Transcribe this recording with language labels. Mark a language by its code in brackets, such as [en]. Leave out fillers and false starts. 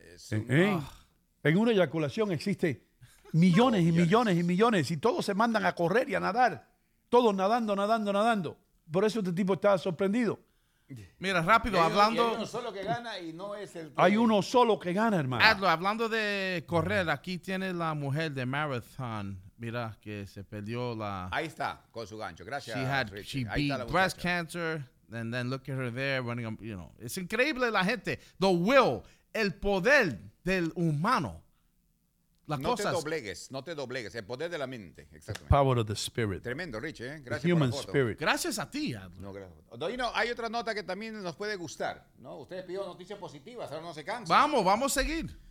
[es] En una eyaculación existen millones y millones y millones y todos se mandan a correr y a nadar. Todos nadando, nadando, nadando. Por eso este tipo está sorprendido. Mira, rápido, hablando... Hay uno solo que gana y no es el... Hay uno solo que gana, hermano. Adlo, hablando de correr, aquí tiene la mujer de Marathon. Mira, que se perdió la... Ahí está, con su gancho. Gracias. [en] She beat breast cancer, and then look at her there running, [es] Es increíble la gente. [en] The will, [es] el poder del humano. No te doblegues, el poder de la mente. Exactamente. [en] Power of the spirit. [es] Tremendo, Rich, ¿eh? Gracias por la foto. Spirit. Gracias a ti, Adler. No, gracias. Doino, hay otra nota que también nos puede gustar, ¿no? Ustedes pidieron noticias positivas, ahora no se cansan. Vamos a seguir.